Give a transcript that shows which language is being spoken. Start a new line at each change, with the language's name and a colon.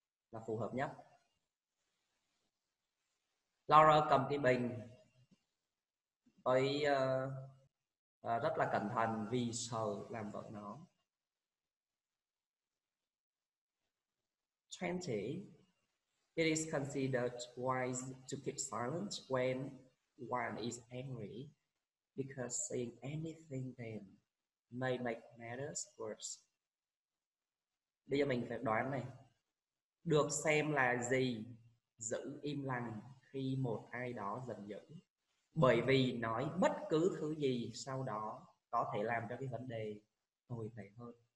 Vietnamese: Là phù hợp nhất. Laura cầm cái bình với rất là cẩn thận vì sợ làm vỡ nó. 20.
English: It is considered wise to keep silent when one is angry because saying anything then may make matters worse.
Vietnamese: Bây giờ mình phải đoán này. Được xem là gì giữ im lặng khi một ai đó giận dữ? Bởi vì nói bất cứ thứ gì sau đó có thể làm cho cái vấn đề tồi tệ hơn.